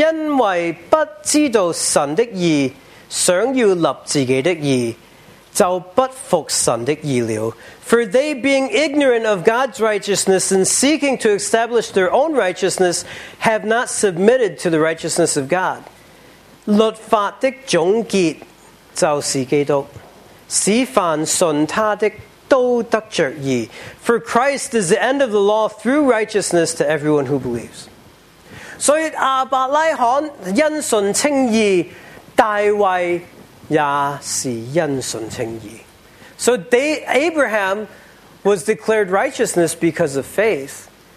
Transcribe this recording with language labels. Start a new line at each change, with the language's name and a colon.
Chinese: 罗马书第十章三节,因为不知道神的义, 想要立自己的义，就不服神的义了。
English: For they being ignorant of God's righteousness and seeking to establish their own righteousness have not submitted to the righteousness of God.
Chinese: 律法的终结就是基督，使凡信他的都得着义。
English: For Christ is the end of the law through righteousness to everyone who believes.
Chinese: 所以亚伯拉罕因信称义， 大卫也是因信称义。
English: So Abraham was declared righteousness because of faith.